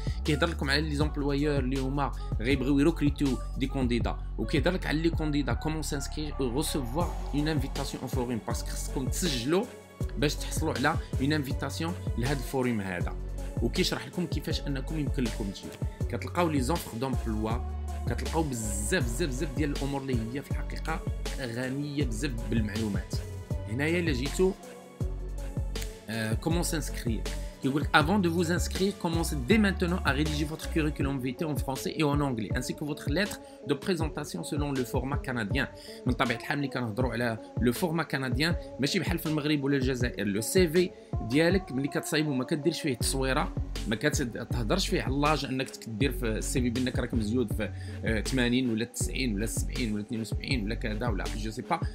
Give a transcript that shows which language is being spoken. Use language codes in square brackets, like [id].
[ar] كيهضر لكم على لي زومبلويور اللي هما غيبغيو يروكريتو دي كانديدا، وكيهضر لك على لي كانديدا كومون سانسكريغ او ريسيفوار اون انفيتاسيون اون فوروم، باسكو خصكم تسجلوا باش تحصلوا على اون انفيتاسيون لهذا الفوروم هذا. وكيشرح لكم كيفاش انكم يمكن لكم تجيو. كتلقاو لي زونفر دومبلوا، كتلقاو بزاف بزاف بزاف ديال الامور اللي هي في الحقيقه غنيه بزاف بالمعلومات. هنايا الا جيتو كومون سانسكري، يقولك [fr] avant de vous inscrire commencez dès maintenant à rédiger votre curriculum vitae en français et en anglais ainsi que votre lettre de présentation selon le format canadien. [ar] من طبيعة الحال اللي كنهضروا على لو فورما كنديان ماشي بحال في المغرب ولا الجزائر. لو سي في ديالك ملي كتصايبو ما كديرش فيه تصويره، ما كتهضرش فيه على لاج انك تدير في السي في بانك راك مزيود في 80 ولا 90 ولا 70 ولا 72 ولا كذا ولا جو سي با.